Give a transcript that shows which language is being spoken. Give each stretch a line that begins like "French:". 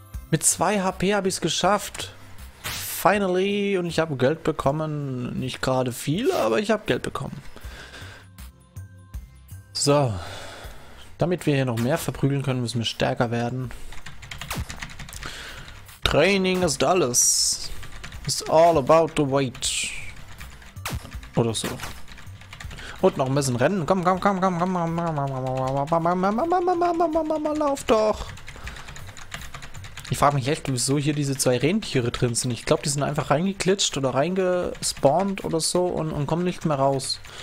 German: Mit 2 HP habe ich es geschafft. Finally. Und ich habe Geld bekommen. Nicht gerade viel, aber ich habe Geld bekommen. So. Damit wir hier noch mehr verprügeln können, müssen wir stärker werden. Training ist alles.
English: It's all about the weight.
German: Oder so. Und noch ein bisschen rennen. Komm, komm, komm, komm, komm, komm, komm, komm, komm, komm, komm, komm, komm, komm, komm, komm, komm, komm, komm, lauf doch. Ich frage mich echt, wieso hier diese 2 Rentiere drin sind. Ich glaube, die sind einfach reingeklitscht oder reingespawnt oder so und kommen nicht mehr raus.